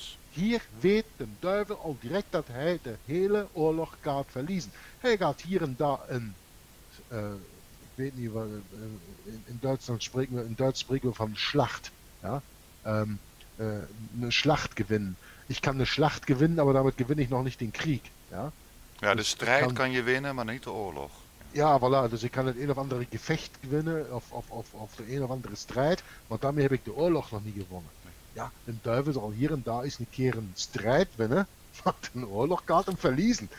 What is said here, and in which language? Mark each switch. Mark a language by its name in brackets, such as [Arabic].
[Dutch] Hier weet de duivel al direct dat hij de hele oorlog gaat verliezen. Hij gaat hier en daar een, ik weet niet wat, in Duitsland spreken we, in Duits spreken we van Schlacht. [German] Ja? Eine Schlacht gewinnen. Ich kann eine Schlacht gewinnen, aber damit gewinne ich noch nicht den Krieg. Ja, [Dutch] ja, de strijd kan je winnen, maar niet de oorlog. Ja, voilà, dus ik kan het een of andere gevecht gewinnen, of de een of andere strijd, maar daarmee heb ik de oorlog nog niet gewonnen. Ja, een duivel zal hier en daar eens een keer een strijd winnen, maar de oorlog gaat hem verliezen.